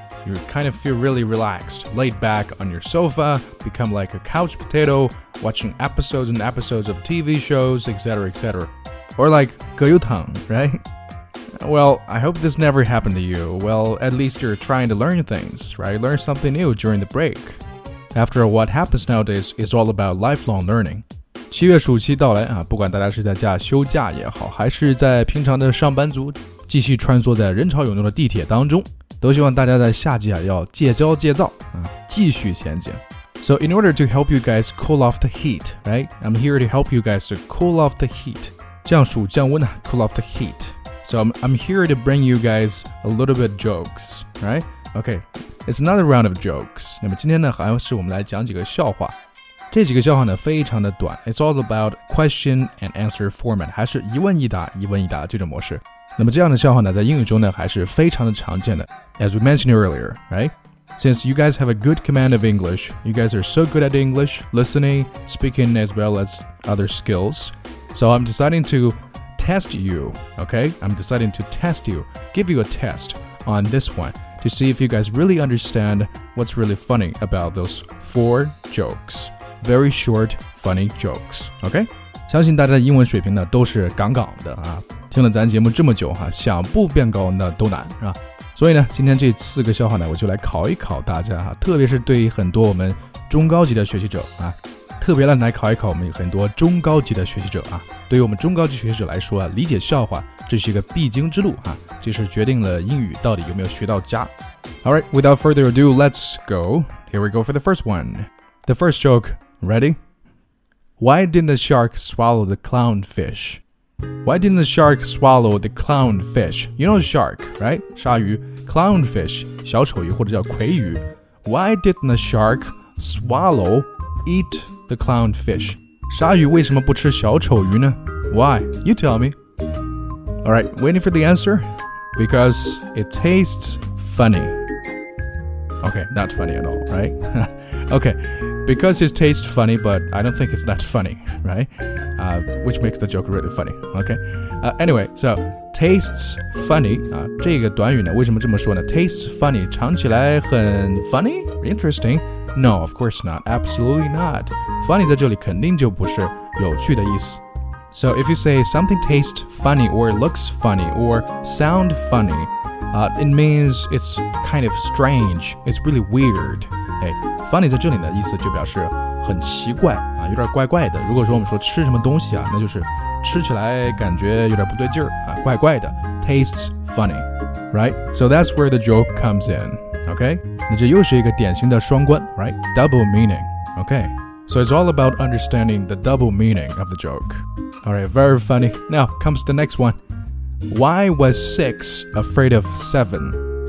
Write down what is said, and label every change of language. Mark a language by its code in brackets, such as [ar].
[en] You kind of feel really relaxed, laid back on your sofa, become like a couch potato, watching episodes and episodes of TV shows, etc., etc. Or like 葛优躺, right? Well, I hope this never happened to you. Well, at least you're trying to learn things, right? Learn something new during the break. After all, what happens nowadays is all about lifelong learning. [zh] 七月暑期到来啊，不管大家是在家休假也好，还是在平常的上班族继续穿梭在人潮涌动的地铁当中，都希望大家在夏季啊要戒骄戒躁啊，继续前进。 [en] So in order to help you guys cool off the heat, right? I'm here to help you guys to cool off the heat. [zh] 降暑降温啊 ， [en] cool off the heat. So I'm here to bring you guys a little bit jokes, right? Okay, it's another round of jokes. [zh] 那么今天呢，还是我们来讲几个笑话。这几个笑话呢非常的短 [en] It's all about question and answer format [zh] 还是一问一答一问一答这种模式那么这样的笑话呢在英语中呢还是非常的常见的 [en] As we mentioned earlier, right? Since you guys have a good command of English You guys are so good at English Listening, speaking as well as other skills So I'm deciding to test you, okay? I'm deciding to test you Give you a test on this one To see if you guys really understand What's really funny about those four jokesVery short, funny jokes, okay? [zh] 相信大家的英文水平呢都是杠杠的啊。听了咱节目这么久啊，想不变高那都难，是吧？所以呢，今天这四个笑话呢，我就来考一考大家啊，特别是对于很多我们中高级的学习者啊，特别来考一考我们很多中高级的学习者啊。对于我们中高级学习者来说啊，理解笑话这是一个必经之路啊，这是决定了英语到底有没有学到家。 [en] All right, without further ado, let's go. Here we go for the first one. The first joke, ready? Why didn't the shark swallow the clown fish? Why didn't the shark swallow the clown fish? You know shark, right? [zh] 鲨鱼 clown fish, 小丑鱼或者叫魁鱼 [en] Why didn't the shark swallow, eat the clown fish? [zh] 鲨鱼为什么不吃小丑鱼呢 [en] Why? You tell me. Alright, waiting for the answer? Because it tastes funny. Okay, not funny at all, right? okay. Because it tastes funny, but I don't think it's that funny, right? Which makes the joke really funny, okay? Anyway, so, tastes funny, [zh] 这个短语呢为什么这么说呢 [en] Tastes funny, [zh] 尝起来很 [en] funny? Interesting? No, of course not, absolutely not. [zh] Funny 在这里肯定就不是有趣的意思。 [en] So if you say something tastes funny, or looks funny, or sound funny, it means it's kind of strange, it's really weird. [zh] Funny 在这里的意思就表示很奇怪、啊、有点怪怪的如果说我们说吃什么东西、啊、那就是吃起来感觉有点不对劲、啊、怪怪的 [en] Tastes funny Right? So that's where the joke comes in Okay? [zh] 那这又是一个典型的双关 Right? [en] Double meaning Okay? So it's all about understanding the double meaning of the joke Alright, very funny Now comes the next one Why was 6 afraid of 7?